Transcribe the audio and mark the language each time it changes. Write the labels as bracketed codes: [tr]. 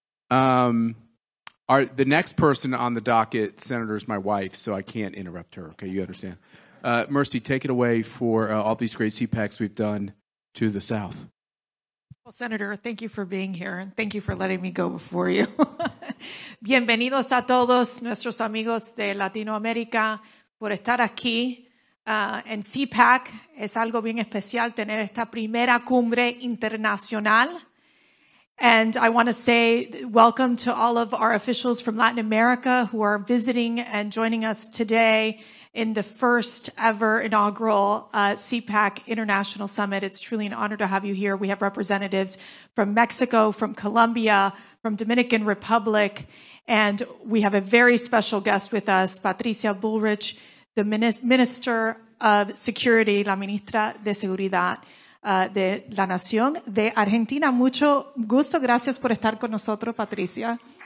[en] The next person on the docket, Senator, is my wife, so I can't interrupt her. Okay, you understand. Mercy, take it away for all these great CPACs we've done to the South. Well, Senator, thank you for being here, and thank you for letting me go before you. [es] Bienvenidos a todos nuestros amigos de Latinoamérica por estar aquí. En CPAC es algo bien especial tener esta primera cumbre internacional. [en] And I want to say welcome to all of our officials from Latin America who are visiting and joining us today in the first ever inaugural CPAC International Summit. It's truly an honor to have you here. We have representatives from Mexico, from Colombia, from Dominican Republic, and we have a very special guest with us, Patricia Bullrich, the Minister of Security, la Ministra de Seguridad de la Nación de Argentina. [es] Mucho gusto. Gracias por estar con nosotros, Patricia.